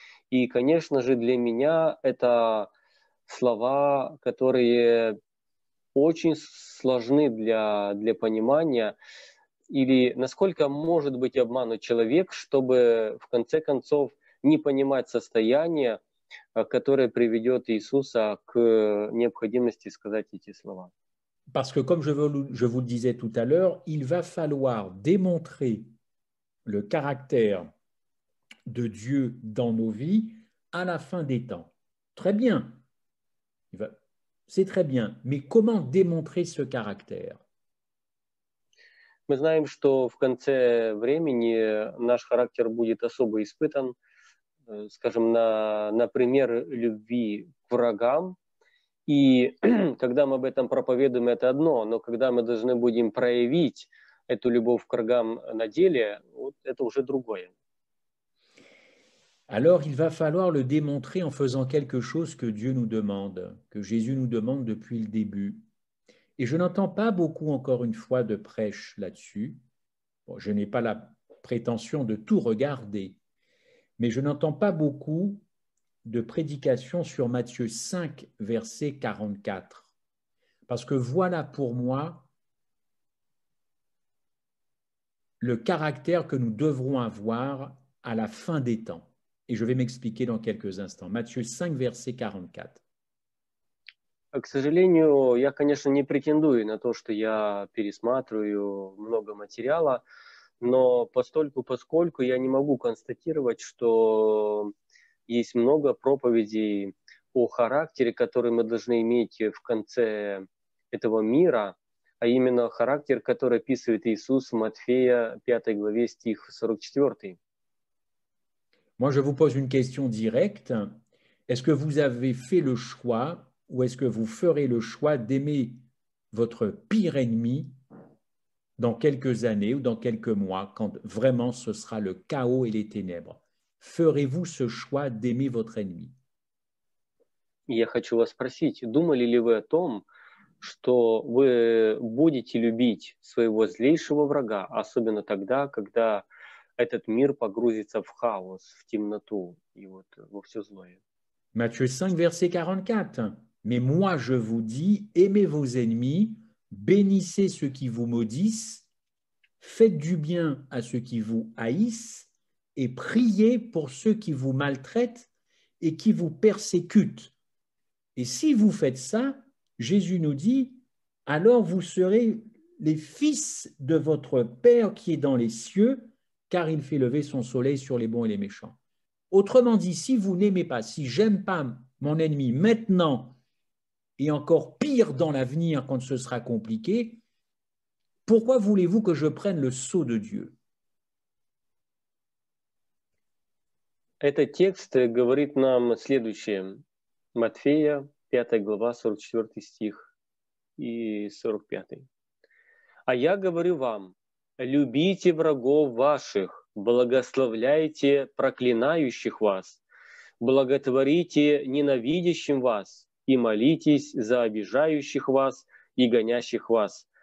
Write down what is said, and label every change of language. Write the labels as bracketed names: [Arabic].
[Russian] И, конечно же, для меня это слова, которые очень сложны для понимания. Или насколько может быть обманут человек, чтобы в конце концов не понимать состояние, которое приведет Иисуса к необходимости сказать эти слова? [French] Parce que, comme je vous le disais tout à l'heure, il va falloir démontrer le caractère de Dieu dans nos vies à la fin des temps. Très bien, c'est très bien, mais comment démontrer ce caractère? [Russian] Мы знаем, что в конце времени наш характер будет особо испытан, скажем, например, любви к врагам. И когда мы об этом проповедуем, это одно, но когда мы должны будем проявить эту любовь к врагам на деле, вот это уже другое. [French] Alors, il va falloir le démontrer en faisant quelque chose que Dieu nous demande, que Jésus nous demande depuis le début. Et je n'entends pas beaucoup, encore une fois, de prêche là-dessus. Bon, je n'ai pas la prétention de tout regarder, mais je n'entends pas beaucoup de prédication sur Matthieu 5, verset 44. Parce que voilà pour moi le caractère que nous devrons avoir à la fin des temps. Et je vais m'expliquer dans quelques instants. Matthieu 5, verset 44. [Russian] К сожалению, я, конечно, не претендую на то, что я пересматриваю много материала, но поскольку я не могу констатировать, что есть много проповедей о характере, который мы должны иметь в конце этого мира, а именно характер, который описывает Иисус в Матфея 5 главе, стих 44. [French] Moi, je vous pose une question directe. Est-ce que vous avez fait le choix ou est-ce que vous ferez le choix d'aimer votre pire ennemi dans quelques années ou dans quelques mois, quand vraiment ce sera le chaos et les ténèbres? Ferez-vous ce choix d'aimer votre ennemi? [Russian] Я хочу вас спросить, думали ли вы о том, что вы будете любить своего злейшего врага, особенно тогда, когда этот мир погрузится в хаос, в темноту и вот во все злое? [French] Matthieu 5, verset 44. Mais moi, je vous dis, aimez vos ennemis, bénissez ceux qui vous maudissent, faites du bien à ceux qui vous haïssent et priez pour ceux qui vous maltraitent et qui vous persécutent. Et si vous faites ça, Jésus nous dit, alors vous serez les fils de votre Père qui est dans les cieux, car il fait lever son soleil sur les bons et les méchants. Autrement dit, si vous n'aimez pas, si j'aime pas mon ennemi maintenant et encore pire dans l'avenir quand ce sera compliqué, pourquoi voulez-vous que je prenne le sceau de Dieu? [Russian] Этот текст говорит нам следующее. Матфея, 5 глава, 44 стих и 45. А я говорю вам, любите врагов ваших, благословляйте проклинающих вас, благотворите ненавидящим вас и молитесь за обижающих вас и гонящих вас.